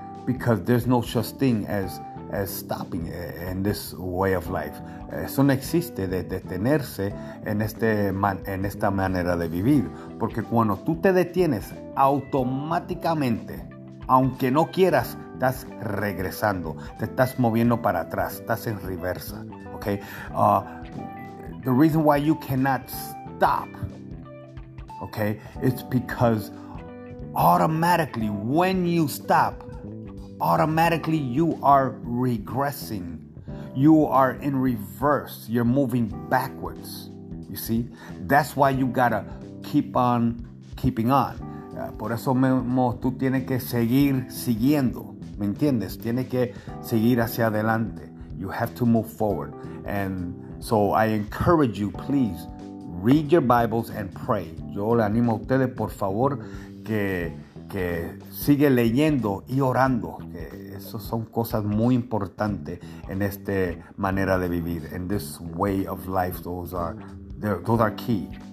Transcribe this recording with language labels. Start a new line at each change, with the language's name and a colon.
English: Because there's no such thing as stopping in this way of life.
Spanish: Eso no existe, de detenerse en esta manera de vivir. Porque cuando tú te detienes, automáticamente, aunque no quieras, estás regresando, te estás moviendo para atrás, estás en reversa, okay?
English: The reason why you cannot stop, okay, it's because automatically when you stop, automatically you are regressing, you are in reverse, you're moving backwards. You see, that's why you gotta keep on keeping on.
Spanish: Por eso mismo tú tienes que seguir siguiendo. ¿Me entiendes? Tiene que seguir hacia adelante.
English: You have to move forward. And so I encourage you, please, read your Bibles and pray.
Spanish: Yo le animo a ustedes, por favor, que sigue leyendo y orando. Esas son cosas muy importantes en esta manera de vivir.
English: In this way of life, those are key.